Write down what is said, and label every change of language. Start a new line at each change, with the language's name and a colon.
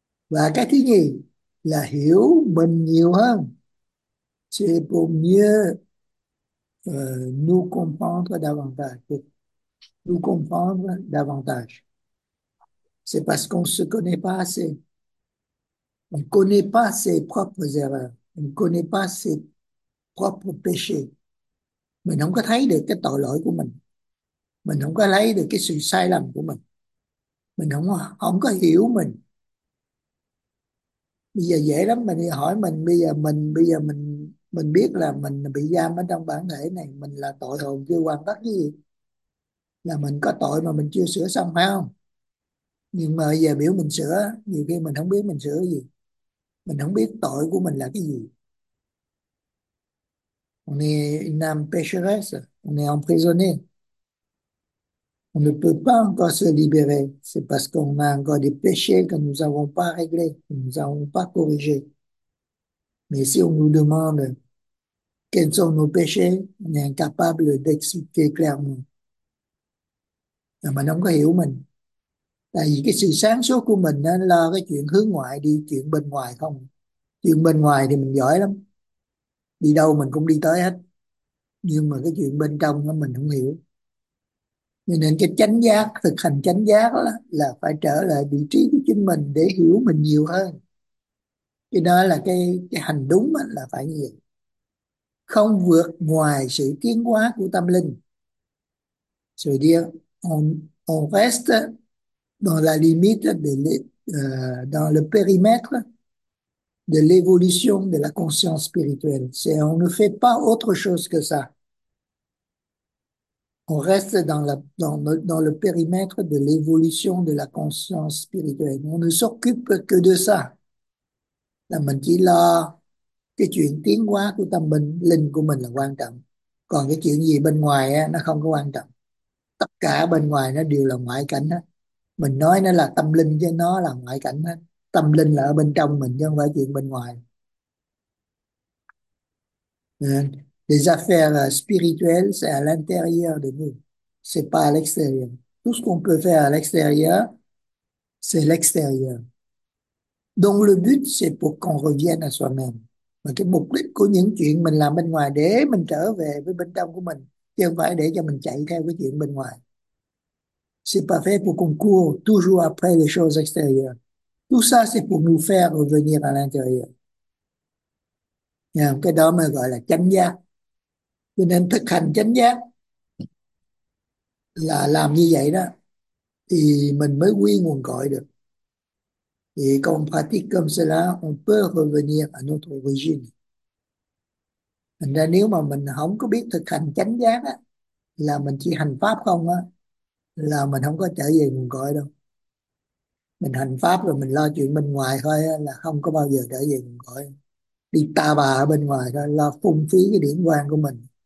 Vietnamese: Và cái thứ nhì là hiểu mình nhiều hơn.
French: C'est pour mieux nous comprendre davantage. Nous comprendre davantage. C'est parce qu'on ne se connaît pas assez. On ne connaît pas ses propres erreurs. On ne connaît pas ses propres péchés.
Vietnamese: Mình không có thấy được cái tội lỗi của mình. Mình không có thấy được cái sự sai lầm của mình. Mình không có hiểu mình. Bây giờ dễ lắm, mình đi hỏi mình bây giờ mình biết là mình bị giam ở trong bản thể này, mình là tội hồn chưa hoàn tất cái gì. là mình có tội mà mình chưa sửa xong phải không? Nhưng mà giờ biểu mình sửa, nhiều khi mình không biết mình sửa gì, mình không biết tội của mình là cái gì.
French: On est une âme pécheresse, on est emprisonné. On ne peut pas encore se libérer. C'est parce qu'on a encore des péchés que nous n'avons pas réglés, que nous n'avons pas corrigés. Mais si on nous demande quels sont nos péchés, on est incapable d'expliquer clairement. Et maintenant, on
Vietnamese: hiểu mình. Tại vì cái sự sáng suốt của mình nên lo cái chuyện hướng ngoại đi, chuyện bên ngoài không. Chuyện bên ngoài thì mình giỏi lắm. Đi đâu mình cũng đi tới hết. Nhưng mà cái chuyện bên trong nó mình không hiểu. Nên cái chánh giác, thực hành chánh giác là phải trở lại vị trí của chính mình để hiểu mình nhiều hơn. Cái đó là cái hành đúng là phải như vậy. Không vượt ngoài sự tiến hóa của tâm linh. Rồi đi,
French: on reste dans la limite dans le périmètre de l'évolution de la conscience spirituelle. C'est, on ne fait pas autre chose que ça. On reste dans le périmètre de l'évolution de la conscience spirituelle. On ne s'occupe que de ça.
Vietnamese: Là mình chỉ lo cái chuyện tiến hóa của tâm linh của mình là quan trọng. Còn cái chuyện gì bên ngoài á, nó không có quan trọng. Tất cả bên ngoài nó đều là ngoại cảnh á. Mình nói nó là tâm linh chứ nó là ngoại cảnh á. Tâm linh là ở bên trong mình chứ không phải chuyện bên ngoài.
French: Les affaires spirituelles, c'est à l'intérieur de nous. Ce n'est pas à l'extérieur. Tout ce qu'on peut faire à l'extérieur, c'est l'extérieur. Donc le but, c'est pour qu'on revienne à soi-même.
Vietnamese: Mà cái mục đích của những chuyện mình làm bên ngoài để mình trở về với bên trong của mình, chứ không phải để cho mình chạy theo cái chuyện bên ngoài.
French: C'est pas fait pour qu'on court toujours après les choses extérieures. Tout ça, c'est pour nous faire revenir à l'intérieur.
Vietnamese: Yeah, cái đó mới gọi là chánh giác. Cho nên thực hành chánh giác là làm như vậy đó thì mình mới quy nguồn cội được.
French: Et quand on pratique comme cela, on peut revenir à notre origine.
Vietnamese: Thành ra nếu mà mình không có biết thực hành chánh giác á, là mình chỉ hành pháp không á, là mình không có trở về nguồn cội đâu. Mình hành pháp rồi mình lo chuyện bên ngoài thôi á, là không có bao giờ trở về nguồn cội. Đi tà bà ở bên ngoài thôi, lo phung phí cái điểm quan của mình.